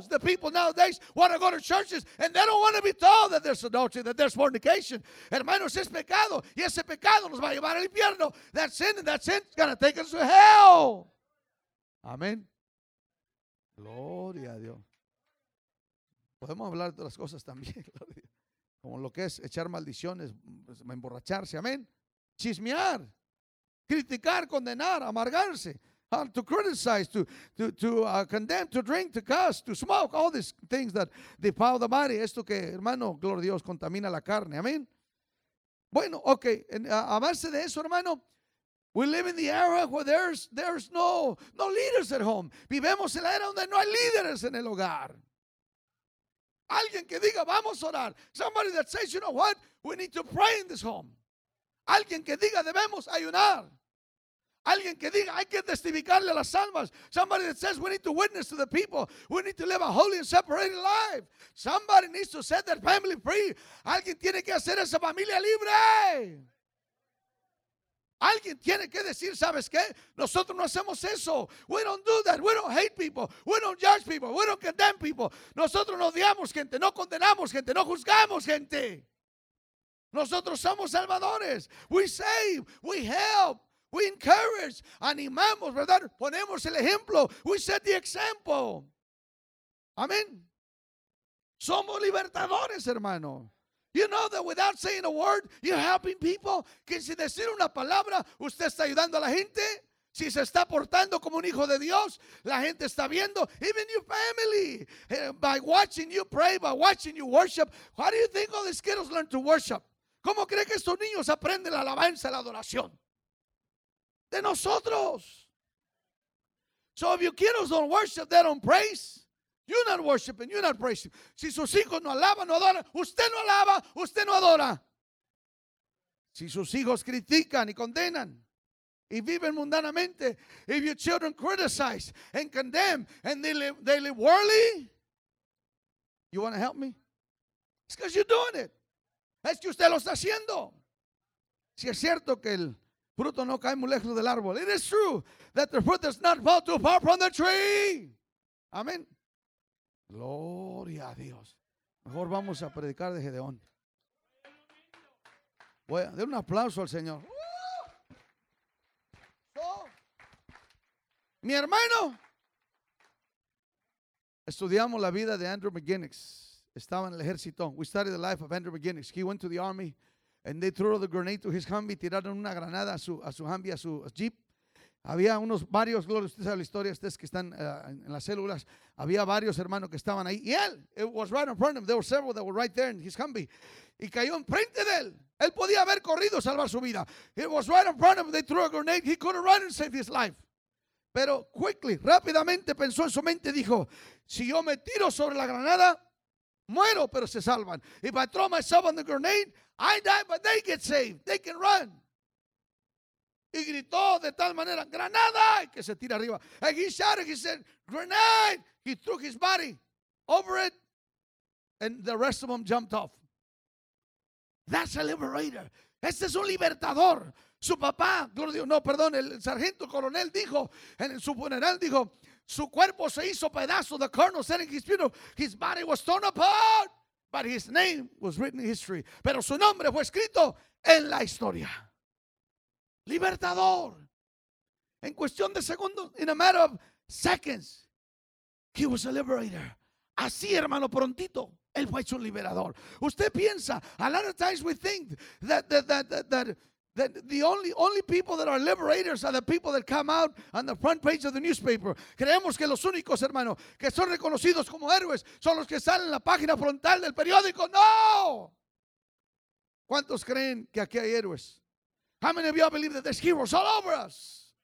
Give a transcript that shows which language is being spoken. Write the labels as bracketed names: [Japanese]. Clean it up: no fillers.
[English] The people nowadays want to go to churches and they don't want to be told that there's adultery, that there's fornication. [Spanish] Hermanos, es pecado y ese pecado nos va a llevar al infierno. [English] That sin and that sin is going to take us to hell. [Spanish] Amén. Gloria a Dios. Podemos hablar de otras cosas también, como lo que es echar maldiciones, emborracharse, amén. Chismear, criticar, condenar, amargarse. [English] To criticize, to condemn, to drink, to cuss, to smoke, all these things that defile the body. [Spanish] Esto que, hermano, gloria a Dios, contamina la carne, amén. Bueno, okay, a base de eso, hermano, [English] we live in the era where there's no leaders at home. [Spanish] Vivemos en la era donde no hay líderes en el hogar. Alguien que diga, vamos a orar. [English] Somebody that says, you know what? We need to pray in this home. [Spanish] Alguien que diga, debemos ayunar. Alguien que diga, hay que testificarle a las almas. [English] Somebody that says, we need to witness to the people. We need to live a holy and separated life. Somebody needs to set their family free. [Spanish] Alguien tiene que hacer esa familia libre. Alguien tiene que decir, ¿sabes qué? Nosotros no hacemos eso. [English] We don't do that. We don't hate people. We don't judge people. We don't condemn people. [Spanish] Nosotros no odiamos gente. No condenamos gente. No juzgamos gente. Nosotros somos salvadores. [English] We save. We help. We encourage. [Spanish] Animamos, ¿verdad? Ponemos el ejemplo. [English] We set the example. [Spanish] Amén. Somos libertadores, hermano. [English] You know that without saying a word, you're helping people. [Spanish] Que sin decir una palabra, usted está ayudando a la gente. Si se está portando como un hijo de Dios, la gente está viendo. [English] Even your family, by watching you pray, by watching you worship. How do you think all these kids learn to worship? [Spanish] ¿Cómo cree que estos niños aprenden la alabanza, la adoración? De nosotros. [English] So if your kids don't worship, they don't praise. You're not worshiping, you're not praising. [Spanish] Si sus hijos no alaban, no adoran, usted no alaba, usted no adora. Si sus hijos critican y condenan y viven mundanamente, [English] if your children criticize and condemn and they live worldly, you want to help me? It's because you're doing it. [Spanish] Es que usted lo está haciendo. Si es cierto que el fruto no cae muy lejos del árbol, [English] it is true that the fruit does not fall too far from the tree. [Spanish] Amén. Gloria a Dios. Mejor vamos a predicar de Gedeón. Voy a dar un aplauso al Señor. Mi hermano. Estudiamos la vida de Andrew McGinnis. Estaba en el ejército. [English] We studied the life of Andrew McGinnis. He went to the army and they threw the grenade to his Humvee. [Spanish] Tiraron una granada a su Humvee, a su Jeep. Había unos varios, gloria, usted sabe la historia, ustedes que están en las células, había varios hermanos que estaban ahí. [English] Y él, it was right in front of him, there were several that were right there in his Humvee. [Spanish] Y cayó enfrente de él. Él podía haber corrido a salvar su vida. [English] It was right in front of him, they threw a grenade, he couldn't run and save his life. [Spanish] Pero quickly, rápidamente pensó en su mente, dijo, si yo me tiro sobre la granada, muero, pero se salvan. [English] If I throw myself on the grenade, I die, but they get saved, they can run. [Spanish] Y gritó de tal manera, granada, y que se tira arriba. [English] And he shouted, he said, grenade. He threw his body over it, and the rest of them jumped off. That's a liberator. [Spanish] Este es un libertador. Su papá, gloria a Dios, no, perdón, el sargento coronel dijo, en su funeral dijo, su cuerpo se hizo pedazo. [English] The colonel said in his funeral, his body was torn apart, but his name was written in history. [Spanish] Pero su nombre fue escrito en la historia. Libertador. En cuestión de segundos, [English] in a matter of seconds, he was a liberator. [Spanish] Así, hermano, prontito, él fue hecho un liberador. Usted piensa, [English] a lot of times we think that the only people that are liberators are the people that come out on the front page of the newspaper. [Spanish] Creemos que los únicos, hermano, que son reconocidos como héroes son los que salen en la página frontal del periódico. No. ¿Cuántos creen que aquí hay héroes? [English] How many of y'all believe that there's heroes all over us?